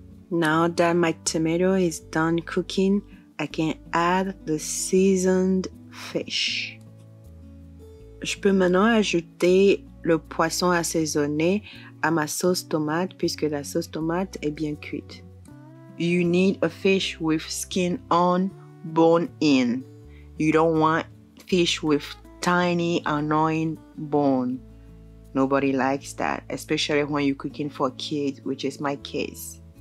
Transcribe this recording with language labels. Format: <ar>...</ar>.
<en>Now that my tomato is done cooking, I can add the seasoned fish.</en> <fr>Je peux maintenant ajouter le poisson assaisonné à ma sauce tomate puisque la sauce tomate est bien cuite.</fr> <en>You need a fish with skin on, bone in. You don't want fish with tiny, annoying bone. Nobody likes that, especially when you're cooking for kids, which is my case.</en>